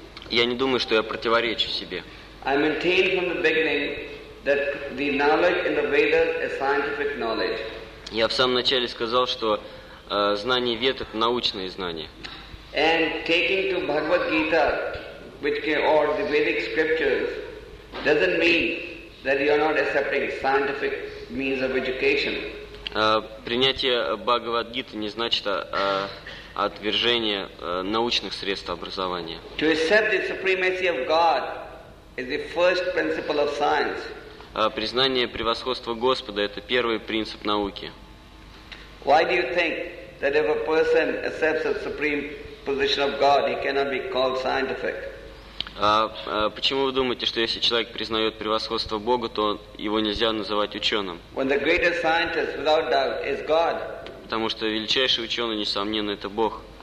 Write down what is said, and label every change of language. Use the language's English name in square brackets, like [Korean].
[Russian] Я не думаю, что я противоречу себе. [English] I maintained from the beginning that the knowledge in the Vedas is scientific knowledge. [Russian] Я в самом начале сказал, что знание Вед это научное знание. [English] And taking to Bhagavad Gita, which can, or the Vedic scriptures, doesn't mean that you are not accepting scientific means of education. [Russian] Принятие Бхагавад Гиты не значит отвержение научных средств образования. [English] To accept the supremacy of God is the first principle of science. [Russian] Признание превосходства Господа – это первый принцип науки. [English] Why do you think that if a person accepts a supreme position of God, he cannot be called scientific? [Russian] Почему вы думаете, что если человек признает превосходство Бога, то его нельзя называть ученым? [English] When the greatest scientist, without doubt, is God. [Russian] Потому что величайший ученый, несомненно, это Бог.